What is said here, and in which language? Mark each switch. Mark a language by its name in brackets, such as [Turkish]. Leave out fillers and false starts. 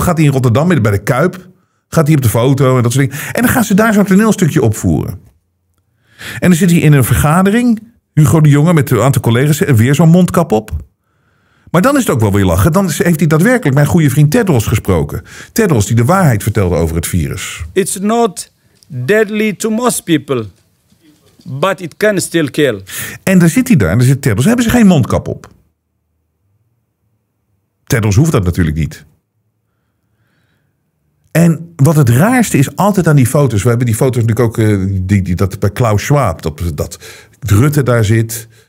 [Dutch] Gaat hij in Rotterdam bij de Kuip. Gaat hij op de foto en dat soort dingen. En dan gaan ze daar zo'n toneelstukje opvoeren. En dan zit hij in een vergadering. Hugo de Jonge met een aantal collega's. En weer zo'n mondkap op. Maar dan is het ook wel weer lachen. Dan heeft hij daadwerkelijk mijn goede vriend Tedros gesproken. Tedros die de waarheid vertelde over het virus. [English] It's not deadly to most people. But it can still kill. [Dutch] En dan zit hij daar. En dan zit Tedros. Hebben ze geen mondkap op. Tedros hoeft dat natuurlijk niet. En wat het raarste is altijd aan die foto's. We hebben die foto's natuurlijk ook. Dat bij Klaus Schwab. Dat Rutte daar zit.